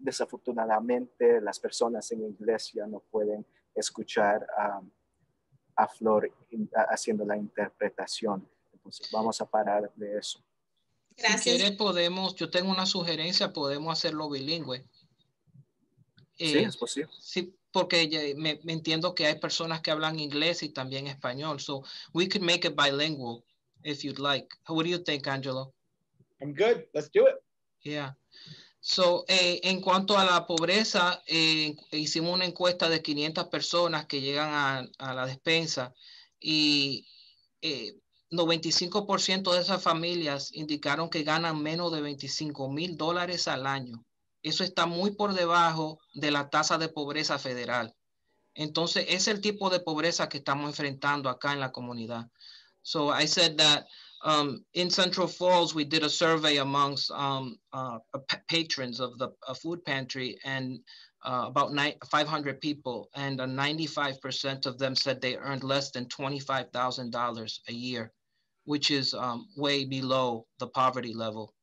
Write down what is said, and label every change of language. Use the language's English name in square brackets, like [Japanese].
[Spanish] Desafortunadamente, las personas en inglés ya no pueden escuchar a Flor haciendo la interpretación. Entonces, vamos a parar de eso. Gracias. Si quieres, podemos, yo tengo una sugerencia, podemos hacerlo bilingüe. Sí, es posible. Sí, porque me entiendo que hay personas que hablan inglés y también español. [English] So, we could make it bilingual if you'd like. What do you think, Angelo? I'm good. Let's do it. Yeah. [Spanish] So, en cuanto a la pobreza, hicimos una encuesta de 500 personas que llegan a la despensa y 95% de esas familias indicaron que ganan menos de $25,000 al año. Eso está muy por debajo de la tasa de pobreza federal. Entonces, es el tipo de pobreza que estamos enfrentando acá en la comunidad. [English] So, I said that in Central Falls, we did a survey amongst patrons of the food pantry and about 500 people, and 95% of them said they earned less than $25,000 a year, which is way below the poverty level.